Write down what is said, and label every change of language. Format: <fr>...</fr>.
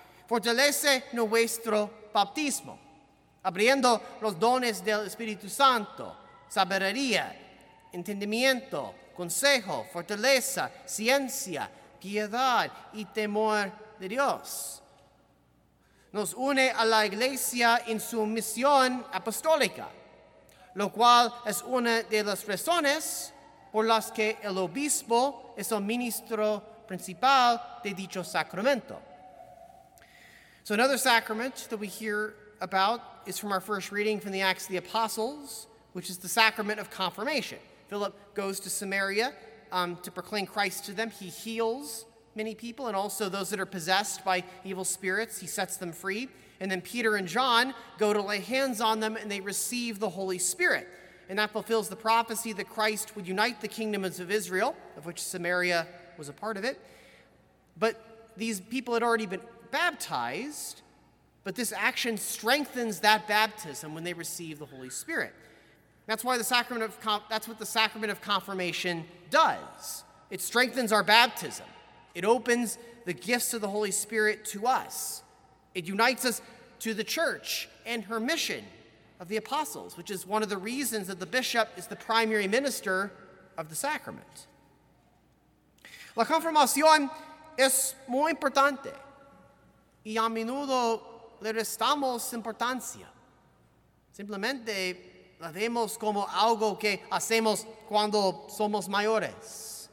<es>Fortalece nuestro bautismo, abriendo los dones del Espíritu Santo, sabiduría, entendimiento, consejo, fortaleza, ciencia, piedad y temor de Dios. Nos une a la Iglesia en su misión apostólica, lo cual es una de las razones por las que el obispo es el ministro principal de dicho sacramento.</es> <en>So another sacrament that we hear about is from our first reading from the Acts of the Apostles, which is the sacrament of confirmation. Philip goes to Samaria to proclaim Christ to them. He heals many people and also those that are possessed by evil spirits. He sets them free. And then Peter and John go to lay hands on them and they receive the Holy Spirit. And that fulfills the prophecy that Christ would unite the kingdoms of Israel, of which Samaria was a part of it. But these people had already been baptized, but this action strengthens that baptism when they receive the Holy Spirit. That's what the sacrament of confirmation does. It strengthens our baptism. It opens the gifts of the Holy Spirit to us. It unites us to the church and her mission of the apostles, which is one of the reasons that the bishop is the primary minister of the sacrament.</en> <es>La confirmación es muy importante y a menudo le restamos importancia. Simplemente la vemos como algo que hacemos cuando somos mayores.</es>